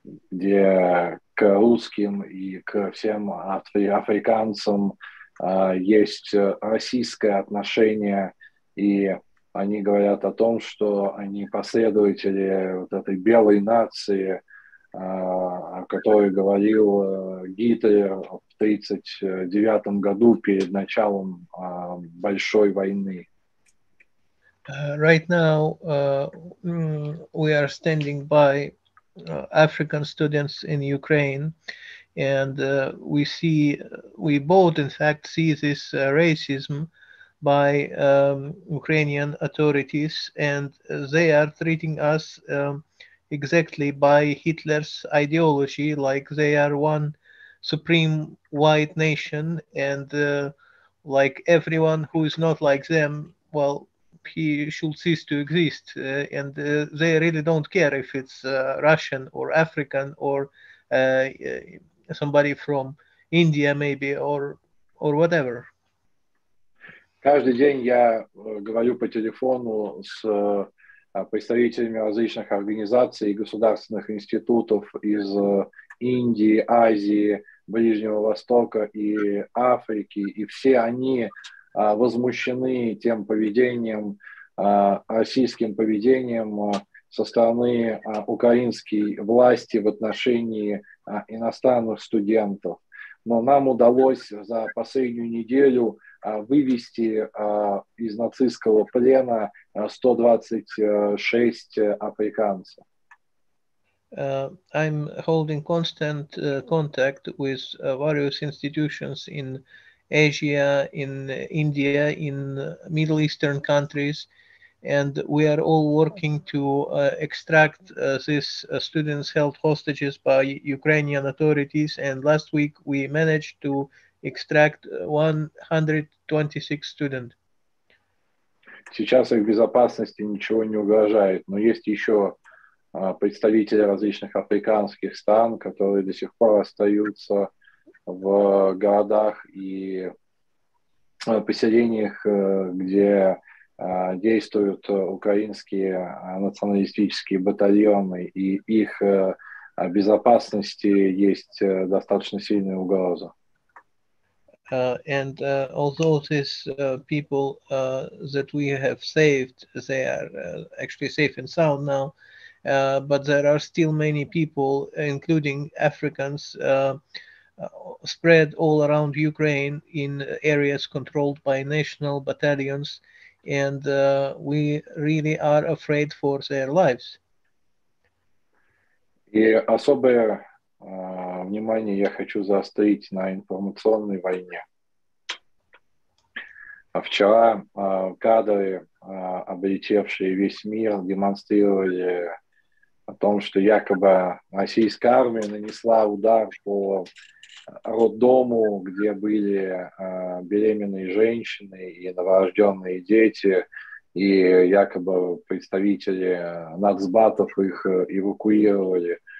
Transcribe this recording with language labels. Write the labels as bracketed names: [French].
[Russian] где к русским и к всем африканцам есть российское отношение, и они говорят о том, что они последователи вот этой белой нации, о которой говорил Гитлер в 1939 году перед началом большой войны. [English] Right now we are standing by African students in Ukraine, and we both in fact see this racism by Ukrainian authorities, and they are treating us exactly by Hitler's ideology, like they are one supreme white nation, and like everyone who is not like them, well, he should cease to exist, and they really don't care if it's Russian or African or somebody from India maybe or whatever. [Russian] Каждый день я говорю по телефону с представителями различных организаций и государственных институтов из Индии, Азии, Ближнего Востока и Африки, и все они возмущены тем поведением, российским поведением со стороны украинской власти в отношении иностранных студентов. Но нам удалось за последнюю неделю вывести из нацистского плена 126 африканцев. [English] I'm holding constant contact with various institutions in Asia, in India, in Middle Eastern countries, and we are all working to extract these students held hostages by Ukrainian authorities, and last week we managed to extract 126 students. [Russian] Сейчас их безопасности ничего не угрожает, но есть еще представители различных африканских стран, которые до сих пор остаются в городах и поселениях, где действуют украинские националистические батальоны, и их безопасности есть достаточно сильная угроза. [English] And although these people that we have saved, they are actually safe and sound now, but there are still many people, including Africans, spread all around Ukraine in areas controlled by national battalions, and we really are afraid for their lives. [Russian] И особое внимание я хочу заострить на информационной войне. Вчера кадры, облетевшие весь мир, демонстрировали о том, что якобы российская армия нанесла удар по роддому, где были беременные женщины и новорожденные дети, и якобы представители нацбатов их эвакуировали.